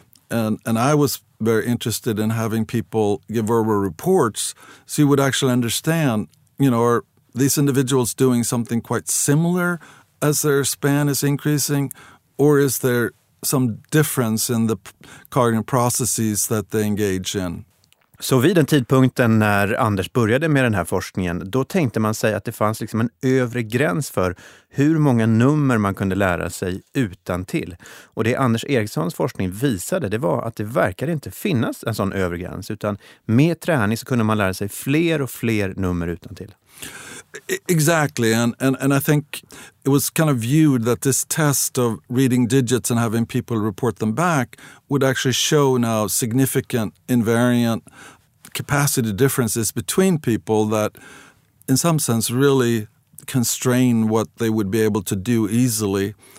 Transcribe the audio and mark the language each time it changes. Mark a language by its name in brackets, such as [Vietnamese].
[English] And I was very interested in having people give verbal reports so you would actually understand, you know, are these individuals doing something quite similar as their span is increasing? Or is there some difference in the cognitive processes that they engage in? [Swedish] Så vid den tidpunkten när Anders började med den här forskningen, då tänkte man sig att det fanns liksom en övre gräns för hur många nummer man kunde lära sig utan till. Och det Anders Erikssons forskning visade, det var att det verkade inte finnas en sån övre gräns, utan med träning så kunde man lära sig fler och fler nummer utan till. [English] Exactly, and I think it was kind of viewed that this test of reading digits and having people report them back would actually show now significant invariant capacity differences between people that in some sense really constrain what they would be able to do easily.